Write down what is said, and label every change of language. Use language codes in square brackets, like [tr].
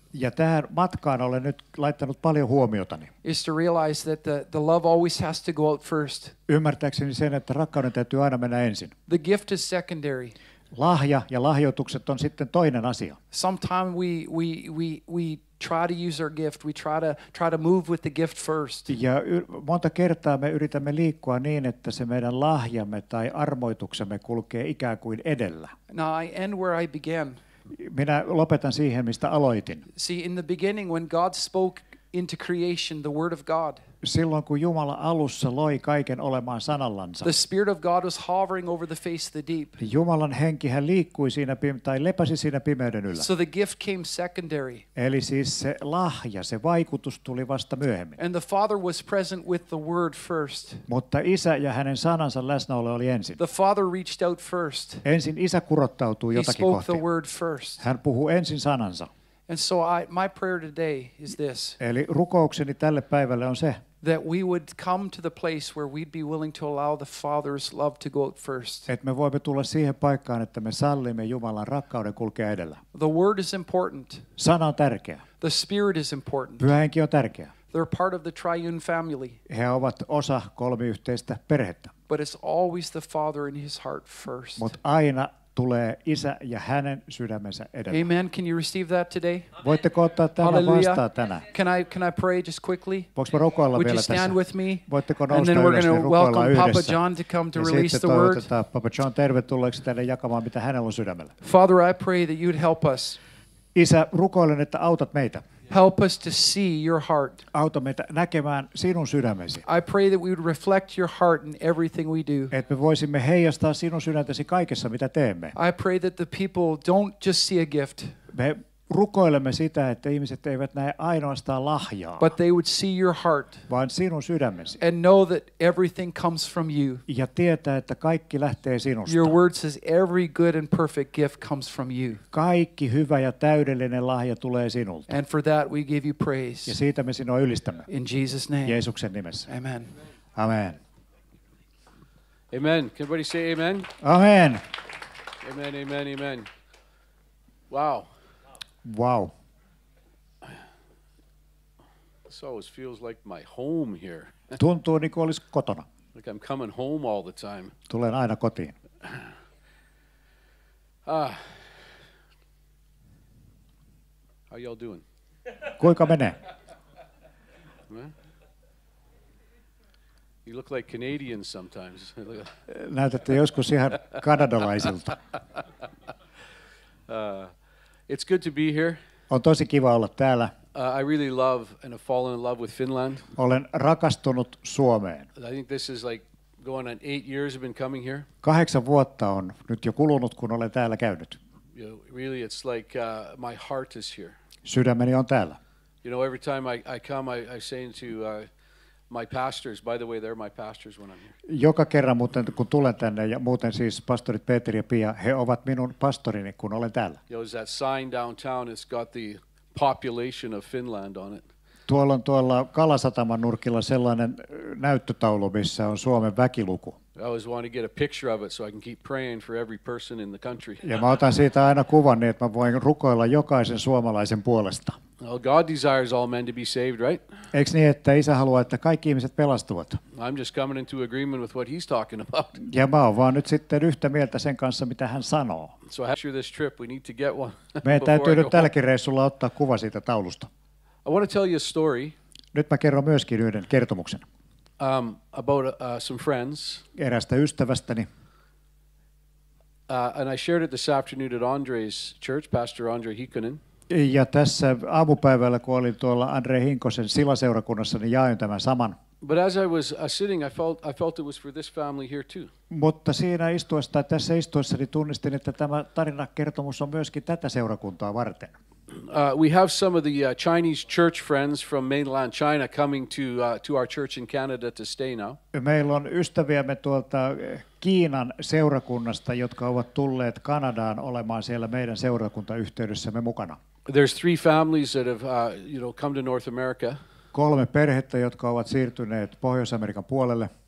[fi] Ja tähän matkaan olen nyt laittanut paljon huomiotani. [en] Is to realize that the love always has to go out first. [fi] Ymmärtääkseni sen, että rakkauden täytyy aina mennä ensin. [en] The gift is secondary. [fi] Lahja ja lahjoitukset on sitten toinen asia. [en] Sometimes we try to use our gift. We try to move with the gift first. [fi] Ja monta kertaa me yritämme liikkua niin, että se meidän lahjamme tai armoituksemme kulkee ikään kuin edellä. [en] Now I end where I began. [fi] Minä lopetan siihen, mistä aloitin. [en] See, in the beginning, when God spoke into creation, the word of God. [fi] Silloin kun Jumala alussa loi kaiken olemaan sanallansa. [en] The spirit of God was hovering over the face of the deep. [fi] Jumalan henki hän liikkui siinä tai lepäsi siinä pimeyden yllä. [en] So the gift came secondary. [fi] Eli siis se lahja, se vaikutus tuli vasta myöhemmin. [en] And the Father was present with the word first. [fi] Mutta Isä ja hänen sanansa läsnäolo oli ensin. [en] The Father reached out first. [fi] Ensin Isä kurottautui jotakin kohti. [en] He spoke the word first. [fi] Hän puhui ensin sanansa. [en] And so my prayer today is this. [fi] Eli rukoukseni tälle päivälle on se. [en] That we would come to the place where we'd be willing to allow the Father's love to go out first. [fi] Et me voimme tulla siihen paikkaan, että me sallimme Jumalan rakkauden kulkea edellä. [en] The word is important. [fi] Sana on tärkeä. [en] The spirit is important. [fi] Pyhä henki on tärkeä. [en] They're part of the triune family. [fi] He ovat osa kolmiyhteistä perhettä. [en] But it's always the Father in his heart first. [fi] Mut aina tulee Isä ja hänen sydämensä edellä. [en] Amen. Can you receive that today? [fi] Voitteko ottaa tämän vastaan tänään? [en] Can I pray just quickly? [fi] Voinko mä rukoilla vielä tässä? Voitteko nousta [en] and then we're [fi] ylös ja rukoilla [en] welcome [fi] yhdessä? [en] Papa John to come to [fi] ja [en] release the word. [fi] Sitten toivotetaan Papa John tervetulleeksi tänne jakamaan, mitä hänellä on sydämellä. [en] Father, I pray that you'd help us. [fi] Isä, rukoilen, että autat meitä. [en] Help us to see your heart. [fi] Auta meitä näkemään sinun sydämesi. [en] I pray that we would reflect your heart in everything we do. [fi] Et me voisimme heijastaa sinun sydäntäsi kaikessa mitä teemme. [en] I pray that the people don't just see a gift. [fi] Me rukoilemme sitä, että ihmiset eivät näe ainoastaan lahjaa. [en] But they would see your heart. [fi] Vaan sinun sydämesi. [en] And know that everything comes from you. [fi] Ja tietää, että kaikki lähtee sinusta. [en] Your word says every good and perfect gift comes from you. [fi] Kaikki hyvä ja täydellinen lahja tulee sinulta. [en] And for that we give you praise. [fi] Ja siitä me sinua ylistämme. [en] In Jesus' name. [fi] Jeesuksen nimessä. [en] Amen. Amen. Amen. Can everybody say amen? Amen. Amen, amen, amen. Wow. Wow. This always feels like my home here. [fi] Tuntuu niin kuin olisi kotona. [en] Like I'm coming home all the time. [fi] Tulen aina kotiin. [en] How y'all doing? [fi] Kuinka menee? [en] You look like Canadians sometimes. [fi] Näytätte joskus ihan kanadalaisilta. [en] It's good to be here. [fi] On tosi kiva olla täällä. [en] I really love and have fallen in love with Finland. [fi] Olen rakastunut Suomeen. [en] I think this is like going on 8 years I've been coming here. [fi] 8 vuotta on nyt jo kulunut, kun olen täällä käynyt. [en] You know, really, it's like my heart is here. [fi] Sydämeni on täällä. [en] You know, every time I come, I say to my pastors, by the way, they're my pastors when I'm here. [fi] Joka kerran muuten, kun tulen tänne, ja muuten siis pastorit Peteri ja Pia, he ovat minun pastorini, kun olen täällä. [en] You know, that sign downtown, it's got the population of Finland on it. [fi] Tuolla on tuolla Kalasataman nurkilla sellainen näyttötaulu, missä on Suomen väkiluku. [en] I always want to get a picture of it so I can keep praying for every person in the country. [fi] Ja mä otan siitä aina kuvan, niin että mä voin rukoilla jokaisen suomalaisen puolesta. [en] Well, God desires all men to be saved, right? [fi] Eikö niin, että Isä haluaa, että kaikki ihmiset pelastuvat? [en] I'm just coming into agreement with what he's talking about. [fi] Ja mä oon vaan nyt sitten yhtä mieltä sen kanssa, mitä hän sanoo. [en] So after this trip, we need to get one. [fi] Meidän täytyy nyt tälläkin reissulla ottaa kuva siitä taulusta. [en] I want to tell you a story. [fi] Nyt mä kerron myöskin yhden kertomuksen. [en] About some friends. [fi] Erästä ystävästäni. [en] And I shared it this afternoon at Andre's church, Pastor Andre Hikkonen. [fi] Ja tässä aamupäivällä, kun olin tuolla Andre Hinkosen silaseurakunnassa, niin jaoin tämän saman. [en] But as I was sitting, I felt it was for this family here too. [fi] Mutta siinä istuessa, tässä istuessani tunnistin, että tämä tarinakertomus on myöskin tätä seurakuntaa varten. [en] We have some of the Chinese church friends from mainland China coming to our church in Canada to stay now. [fi] Meillä on ystäviämme tuolta Kiinan seurakunnasta, jotka ovat tulleet Kanadaan olemaan siellä meidän seurakuntayhteydessämme mukana. [en] There's three families that have you know come to North America. [fi] Kolme perhettä, jotka ovat siirtyneet Pohjois-Amerikan puolelle.